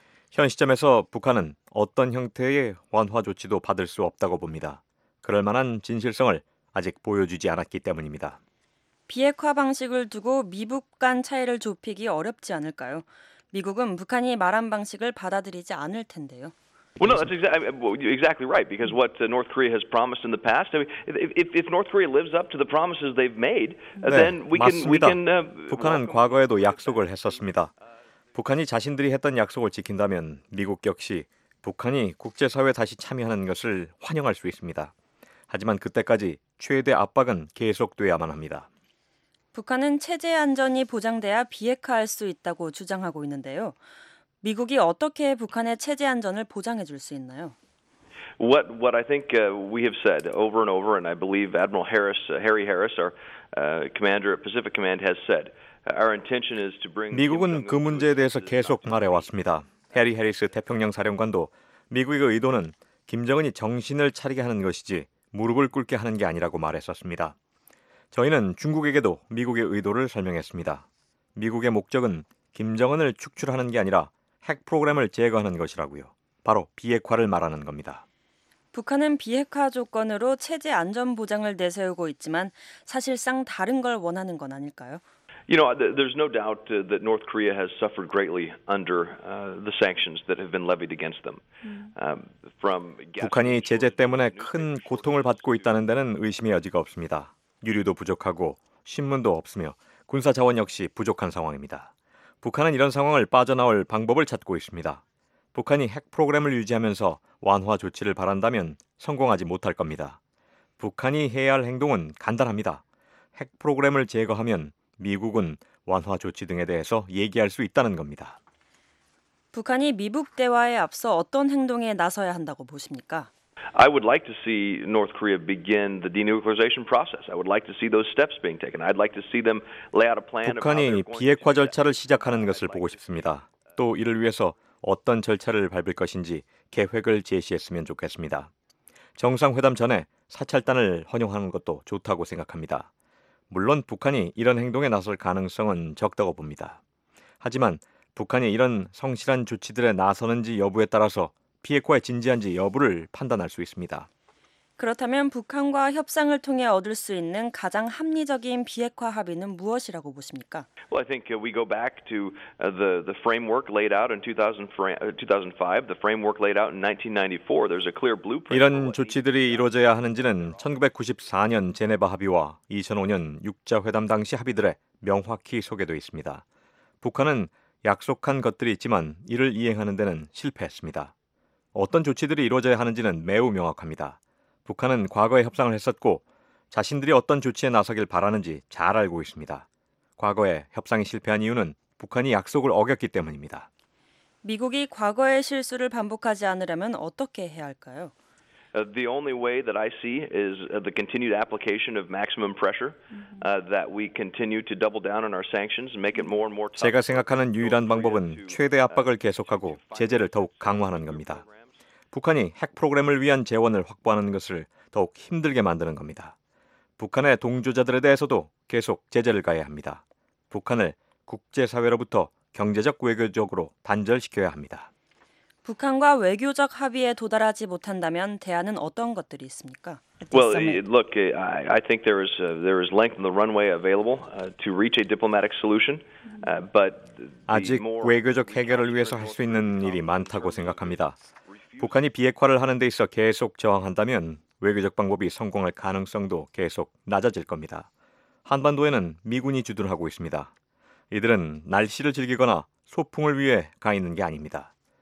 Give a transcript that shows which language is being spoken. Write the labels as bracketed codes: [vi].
[ko] 현 시점에서 북한은 어떤 형태의 완화 조치도 받을 수 없다고 봅니다. 그럴 만한 진실성을 아직 보여주지 않았기 때문입니다. 비핵화 방식을 두고 미북 간 차이를 좁히기 어렵지 않을까요? 미국은 북한이 말한 방식을 받아들이지 않을 텐데요. [en] Well, no, that's exactly right. Because what North Korea has promised in the past, I mean, if North Korea lives up to the promises they've made, then we can. [ko] 맞습니다. 북한은 과거에도 약속을 했었습니다. 북한이 자신들이 했던 약속을 지킨다면 미국 역시 북한이 국제사회에 다시 참여하는 것을 환영할 수 있습니다. 하지만 그때까지 최대 압박은 계속돼야만 합니다. 북한은 체제 안전이 보장돼야 비핵화할 수 있다고 주장하고 있는데요. 미국이 어떻게 북한의 체제 안전을 보장해 줄 수 있나요? [en] What I think we have said over and over, and I believe Admiral Harris, Harry Harris, our commander at Pacific Command has said, our intention is to bring. [ko] 미국은 그 문제에 대해서 계속 말해 왔습니다. 해리 해리스 태평양 사령관도 미국의 의도는 김정은이 정신을 차리게 하는 것이지 무릎을 꿇게 하는 게 아니라고 말했었습니다. 저희는 중국에게도 미국의 의도를 설명했습니다. 미국의 목적은 김정은을 축출하는 게 아니라 핵 프로그램을 제거하는 것이라고요. 바로 비핵화를 말하는 겁니다. 북한은 비핵화 조건으로 체제 안전 보장을 내세우고 있지만 사실상 다른 걸 원하는 건 아닐까요? [en] You know, there's no doubt that North Korea has suffered greatly under the sanctions that have been levied against them. [ko] From 북한이 제재 때문에 큰 고통을 받고 있다는 데는 의심의 여지가 없습니다. 유류도 부족하고 신문도 없으며 군사 자원 역시 부족한 상황입니다. 북한은 이런 상황을 빠져나올 방법을 찾고 있습니다. 북한이 핵 프로그램을 유지하면서 완화 조치를 바란다면 성공하지 못할 겁니다. 북한이 해야 할 행동은 간단합니다. 핵 프로그램을 제거하면 미국은 완화 조치 등에 대해서 얘기할 수 있다는 겁니다. 북한이 미북 대화에 앞서 어떤 행동에 나서야 한다고 보십니까? [en] I would like to see North Korea begin the denuclearization process. I would like to see those steps being taken. I'd like to see them lay out a plan. [ko] 북한이 비핵화 절차를 시작하는 것을 보고 싶습니다. 또 이를 위해서 어떤 절차를 밟을 것인지 계획을 제시했으면 좋겠습니다. 정상회담 전에 사찰단을 허용하는 것도 좋다고 생각합니다. 물론 북한이 이런 행동에 나설 가능성은 적다고 봅니다. 하지만 북한이 이런 성실한 조치들에 나서는지 여부에 따라서 비핵화에 진지한지 여부를 판단할 수 있습니다. 그렇다면 북한과 협상을 통해 얻을 수 있는 가장 합리적인 비핵화 합의는 무엇이라고 보십니까? [en] Well, I think we go back to the framework laid out in 2005, the framework laid out in 1994. There's a clear blueprint. [ko] 이런 조치들이 이루어져야 하는지는 1994년 제네바 합의와 2005년 6자 회담 당시 합의들에 명확히 소개되어 있습니다. 북한은 약속한 것들이 있지만 이를 이행하는 데는 실패했습니다. 어떤 조치들이 이루어져야 하는지는 매우 명확합니다. 북한은 과거에 협상을 했었고 자신들이 어떤 조치에 나서길 바라는지 잘 알고 있습니다. 과거에 협상이 실패한 이유는 북한이 약속을 어겼기 때문입니다. 미국이 과거의 실수를 반복하지 않으려면 어떻게 해야 할까요? [en] The only way that I see is the continued application of maximum pressure that we continue to double down on our sanctions and make it more and more tough. [ko] 제가 생각하는 유일한 방법은 최대 압박을 계속하고 제재를 더욱 강화하는 겁니다. 북한이 핵 프로그램을 위한 재원을 확보하는 것을 더욱 힘들게 만드는 겁니다. 북한의 동조자들에 대해서도 계속 제재를 가해야 합니다. 북한을 국제사회로부터 경제적 외교적으로 단절시켜야 합니다. 북한과 외교적 합의에 도달하지 못한다면 대안은 어떤 것들이 있습니까? [en] Well, look, I think there is length in the runway available to reach a diplomatic solution, but [ko] 아직 외교적 해결을 위해서 할 수 있는 일이 많다고 생각합니다. 북한이 비핵화를 하는 데 있어 계속 저항한다면 외교적 방법이 성공할 가능성도 계속 낮아질 겁니다. 한반도에는 미군이 주둔을 하고 있습니다. 이들은 날씨를 즐기거나 소풍을 위해 가 있는 게 아닙니다.